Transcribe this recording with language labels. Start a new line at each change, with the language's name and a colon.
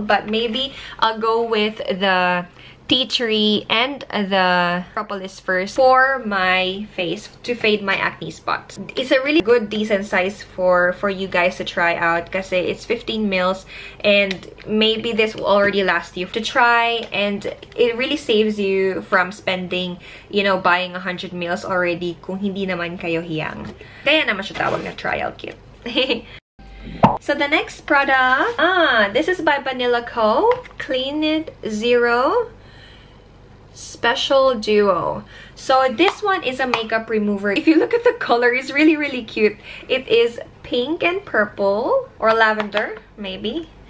English: But maybe I'll go with the tea tree and the propolis first for my face to fade my acne spots. It's a really good decent size for you guys to try out kasi it's 15 mils and maybe this will already last you to try, and it really saves you from spending, you know, buying 100 mils already
Filipino: kung hindi naman kayo hiyang. Kaya naman siya tawag na trial kit.
English: So the next product, this is by Vanilla Co. Clean It Zero Special Duo. So this one is a makeup remover. If you look at the color, it's really, really cute. It is pink and purple or lavender, maybe.